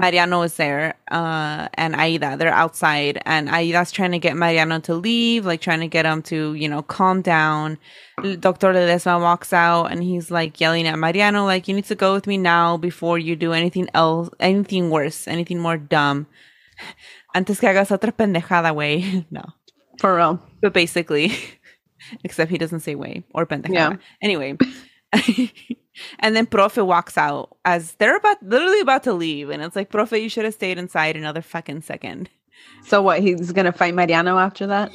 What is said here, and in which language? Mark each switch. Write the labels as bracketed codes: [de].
[en] Mariano is there, and Aida, they're outside. And Aida's trying to get Mariano to leave, like trying to get him to, you know, calm down. Dr. Ledesma walks out, and he's like yelling at Mariano, like, you need to go with me now before you do anything else, anything worse, anything more dumb. [es] antes que hagas otra pendejada, güey. [en] No. For real. But basically, except he doesn't say güey or pendejada. Yeah. Anyway. And then profe walks out as they're about literally about to leave. And it's like, profe, you should have stayed inside another fucking second. So what, he's going to fight Mariano after that?